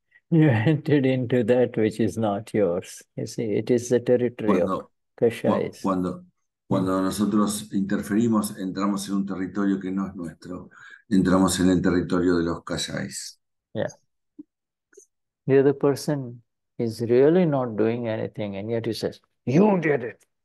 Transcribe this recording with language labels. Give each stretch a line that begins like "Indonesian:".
English: You entered into that which is not yours. You see, it is the territory
Spanish: cuando,
English: of Kashais.
Spanish: Cuando nosotros interferimos, entramos en un territorio que no es nuestro. Entramos en el territorio de los Kashais.
English: Yeah. The other person is really not doing anything, and yet he says, "You did it.